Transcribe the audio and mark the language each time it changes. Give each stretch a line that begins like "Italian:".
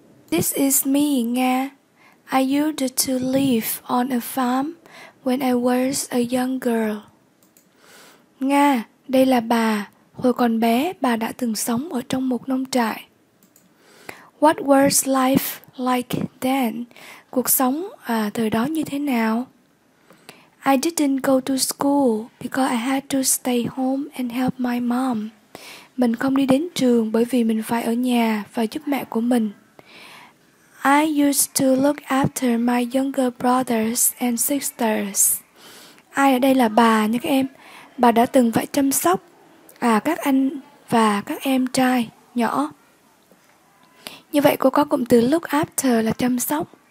English: This is me, Nga. I used to live on a farm when I was a young girl.
Vietnamese: Nga, đây là bà. Hồi còn bé, bà đã từng sống ở trong một nông trại.
English: What was life like then?
Vietnamese: Cuộc sống thời đó như thế nào?
English: I didn't go to school because I had to stay home and help my mom.
Vietnamese: Mình không đi đến trường bởi vì mình phải ở nhà và giúp mẹ của mình.
English: I used to look after my younger brothers and sisters.
Vietnamese: Ai ở đây là bà nha các em? Bà đã từng phải chăm sóc các anh và các em trai nhỏ. Như vậy cô có cụm từ look after là chăm sóc.